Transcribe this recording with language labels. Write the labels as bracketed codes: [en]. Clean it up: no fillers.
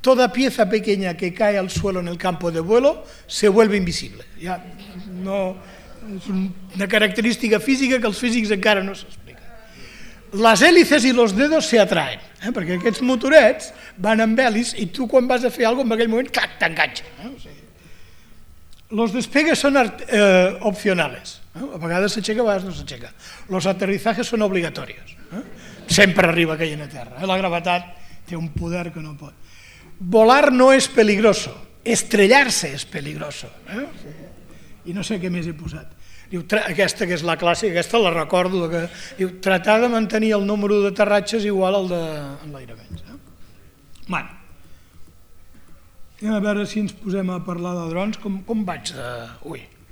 [es] Toda pieza pequeña que cae al suelo en el campo de vuelo se vuelve invisible. [ca] Ja no... És una característica física que els físics encara no s'expliquen. Les hèlices i els dedos s'atraen, perquè aquests motorets van amb hèlices i tu quan vas a fer alguna cosa en aquell moment, clac, t'enganxen. [es] Los despegues son opcionales. [ca] A vegades s'aixeca, a vegades no s'aixeca. [es] Los aterrizajes son obligatorios. [ca] Sempre arriba aquell en a terra. La gravetat té un poder que no pot. [es] Volar no es peligroso. Estrellarse es peligroso. [ca] I no sé què més he posat. Diu, aquesta que és la clàssica, aquesta la recordo. Que, diu, tratar de mantenir el número d'aterratges igual al d'enlairament. Bueno, anem a veure si ens posem a parlar de drons. Com vaig de... Ui.